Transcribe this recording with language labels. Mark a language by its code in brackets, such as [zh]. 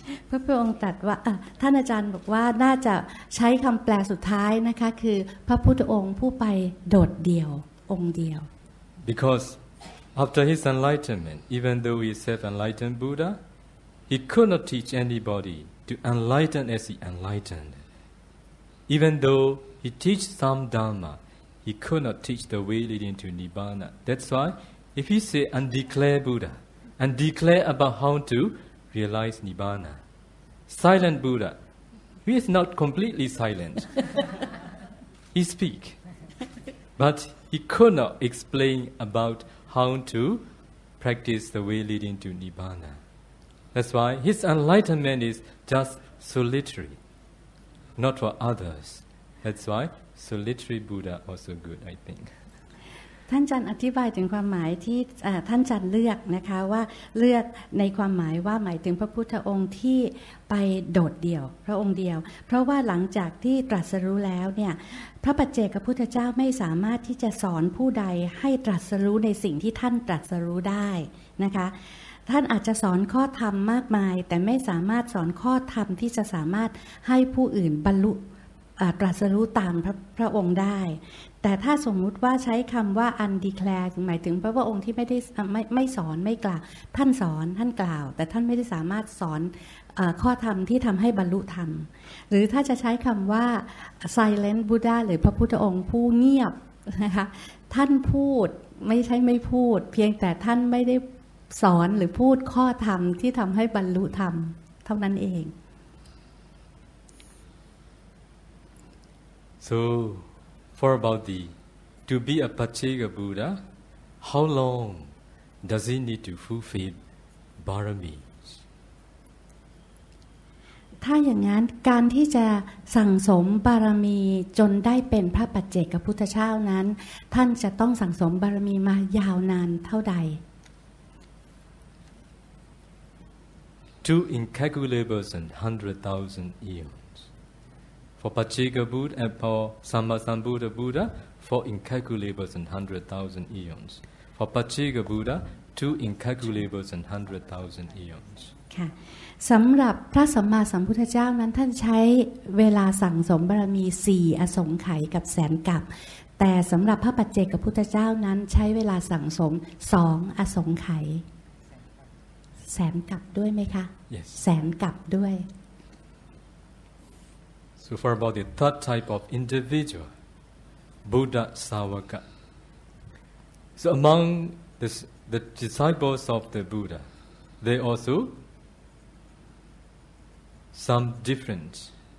[th] พระพุทธองค์ตรัสว่าท่านอาจารย์บอกว่าน่าจะใช้คำแปลสุดท้ายนะคะคือพระพุทธองค์ผู้ไปโดดเดี่ยวองค์เดียว [en] Because after his enlightenment, even though he is self-enlightened Buddha, he could not teach anybody to enlighten as he enlightened. Even though he teach some Dharma, he could not teach the way leading to Nibbana. That's why. If he say undeclared Buddha, undeclared about how to realize Nibbana, silent Buddha, he is not completely silent. he speak, but he could not explain about how to practice the way leading to Nibbana. That's why his enlightenment is just solitary, not for others. That's why solitary Buddha also good, I think. [th] ท่านจันอธิบายถึงความหมายที่ท่านจันเลือกนะคะว่าเลือกในความหมายว่าหมายถึงพระพุทธองค์ที่ไปโดดเดี่ยวพระองค์เดียวเพราะว่าหลังจากที่ตรัสรู้แล้วเนี่ยพระปัจเจกพุทธเจ้าไม่สามารถที่จะสอนผู้ใดให้ตรัสรู้ในสิ่งที่ท่านตรัสรู้ได้นะคะท่านอาจจะสอนข้อธรรมมากมายแต่ไม่สามารถสอนข้อธรรมที่จะสามารถให้ผู้อื่นบรรลุ ตรัสรู้ตามพระองค์ได้แต่ถ้าสมมุติว่าใช้คำว่า undeclared หมายถึงพระองค์ที่ไม่สอนไม่กล่าวท่านสอนท่านกล่าวแต่ท่านไม่ได้สามารถสอนข้อธรรมที่ทำให้บรรลุธรรมหรือถ้าจะใช้คำว่า silent Buddha หรือพระพุทธองค์ผู้เงียบนะคะท่านพูดไม่ใช่ไม่พูดเพียงแต่ท่านไม่ได้สอนหรือพูดข้อธรรมที่ทำให้บรรลุธรรมเท่านั้นเอง [en] So, for about the, to be a Paccika Buddha, how long does he need to fulfill baramis? [th] ถ้าอย่างนั้นการที่จะสั่งสมบารมีจนได้เป็นพระปัจเจกพุทธเจ้านั้นท่านจะต้องสั่งสมบารมีมายาวนานเท่าใด [en] two incalculable and 100,000 eons. For Pachika Buddha and for Sammasambuddha Buddha, four incalculable and 100,000 eons. For Pachika Buddha, two incalculable and 100,000 eons. [th] สำหรับพระสัมมาสัมพุทธเจ้านั้นท่านใช้เวลาสั่งสมบารมี4อสงไขยกับแสนกัปแต่สำหรับพระปัจเจกพุทธเจ้านั้นใช้เวลาสั่งสม2อสงไขยแสนกัปด้วยไหมคะ [en] yes. [th] แสนกัปด้วย [en] So for about the third type of individual Buddha Savaka So among the disciples of the Buddha they alsoSome different.